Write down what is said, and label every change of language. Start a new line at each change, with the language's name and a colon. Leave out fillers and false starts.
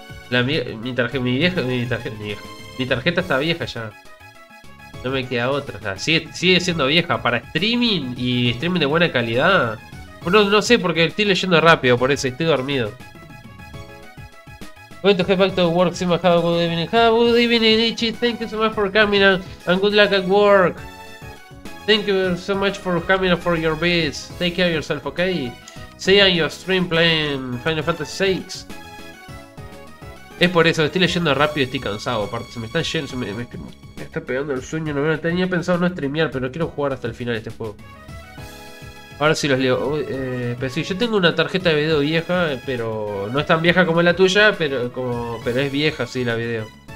Spanish: Mi tarjeta está vieja ya. No me queda otra, o sea, sigue siendo vieja para streaming y streaming de buena calidad. Bueno, no sé, porque estoy leyendo rápido, por eso estoy dormido.
English: Going to head back to work, Sima, have a good evening. Have a good evening, Ichi. Thank you so much for coming and good luck at work. Thank you so much for coming for your bits. Take care of yourself, okay? See you on your stream playing Final Fantasy VI.
Spanish: Es por eso, estoy leyendo rápido y estoy cansado. Aparte, se me está yendo, me está pegando el sueño. No tenía pensado no streamear, pero quiero jugar hasta el final este juego. Ahora sí los leo. Pero sí, yo tengo una tarjeta de video vieja, pero no es tan vieja como la tuya, pero es vieja, sí, la video.